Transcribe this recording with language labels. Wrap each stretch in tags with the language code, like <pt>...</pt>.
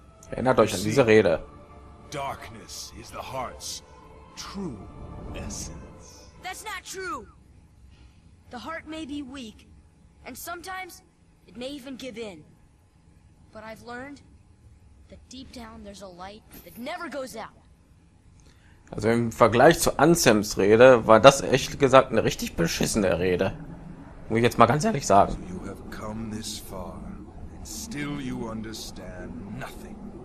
<de>Erinnert euch an diese Rede.</de> <en>Darkness is the heart's true essence. That's not true. The heart may be weak, and sometimes it may even give in. But I've learned that deep down there's a light that never goes out.</en> <de>Also im Vergleich zu Anselms Rede war das echt gesagt eine richtig beschissene Rede. Muss ich jetzt mal ganz ehrlich sagen.</de> <en>So you have come this far, and still you understand nothing.</en>